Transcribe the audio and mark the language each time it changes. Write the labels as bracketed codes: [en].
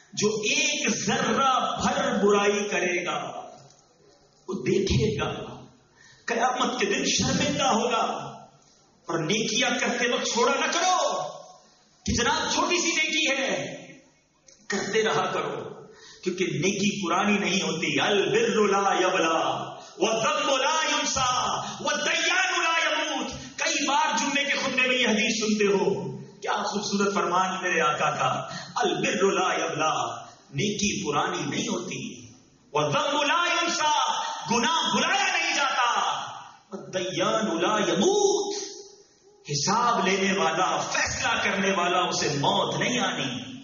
[ur] جو ایک ذرہ بھر برائی کرے گا وہ دیکھے گا قیامت کے دن شرمندہ ہوگا. اور نیکیاں کرتے وقت چھوڑا نہ کرو کہ جناب چھوٹی سی نیکی ہے, کرتے رہا کرو, کیونکہ نیکی پرانی نہیں ہوتی. [ar] البر لا یبلا والذنب لا ینسا والدیان لا یموت. [ur] کئی بار جملے کے خطبے میں یہ حدیث سنتے ہو, کیا خوبصورت فرمان میرے آقا کا. [ar] البر لا یبلا, [ur] نیکی پرانی نہیں ہوتی, [ar] والذنب لا ینسا, [ur] گناہ بھلایا نہیں جاتا, [ar] والدیان لا یموت, [ur] حساب لینے والا فیصلہ کرنے والا اسے موت نہیں آنی.